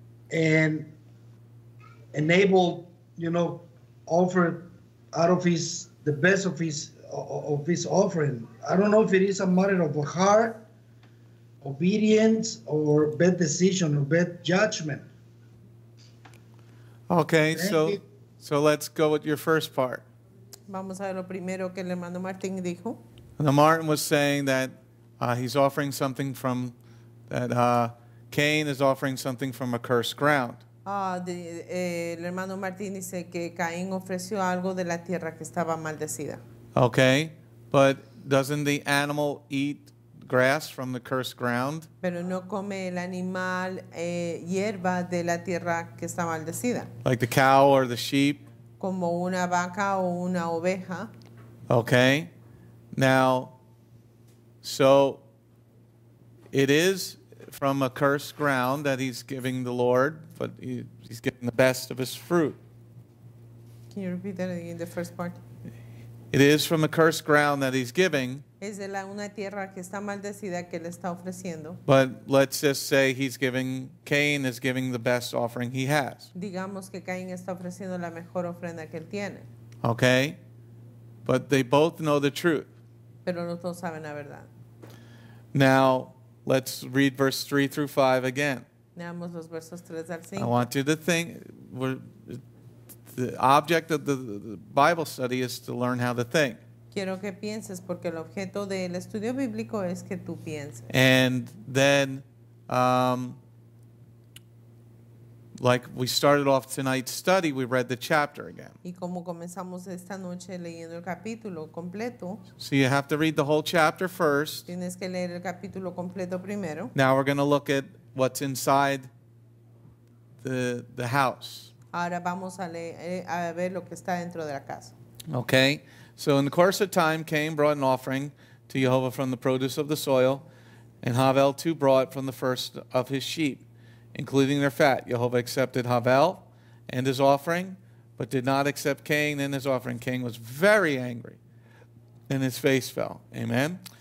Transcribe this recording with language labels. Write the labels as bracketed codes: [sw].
[en] And enabled, you know, offered out of the best of his offering. I don't know if it is a matter of a heart, obedience, or bad decision, or bad judgment. Okay, so let's go with your first part. [es] Vamos a ver lo primero que el hermano Martin dijo. [en] And Martin was saying that he's offering something from that Cain is offering something from a cursed ground. [es] El hermano Martin dice que Cain ofreció algo de la tierra que estaba maldecida. [en] Okay, but doesn't the animal eat grass from the cursed ground? [es] Pero no come el animal hierba de la tierra que está maldecida. [en] Like the cow or the sheep. [es] Como una vaca o una oveja. [en] Okay. Now, so it is from a cursed ground that he's giving the Lord, but he's getting the best of his fruit. Can you repeat that in the first part? It is from a cursed ground that he's giving. [es] Es de una tierra que está maldecida que le está ofreciendo. [en] But let's just say Cain is giving the best offering he has. [es] Digamos que Cain está ofreciendo la mejor ofrenda que él tiene. [en] Okay. But they both know the truth. [es] Pero los dos saben la verdad. [en] Now, let's read verse 3 through 5 again. [es] Leamos los versos 3 al 5. [en] I want you to think, the object of the Bible study is to learn how to think. [es] Quiero que pienses porque el objeto del estudio bíblico es que tú pienses. [en] And then, like we started off tonight's study, we read the chapter again. [es] Y como comenzamos esta noche leyendo el capítulo completo. [en] So you have to read the whole chapter first. [es] Tienes que leer el capítulo completo primero. [en] Now we're going to look at what's inside the house. [es] Ahora vamos a ver lo que está dentro de la casa. [en] Okay. So in the course of time, Cain brought an offering to Jehovah from the produce of the soil, and Havel too brought from the first of his sheep, including their fat. Jehovah accepted Havel and his offering, but did not accept Cain and his offering. Cain was very angry, and his face fell. Amen.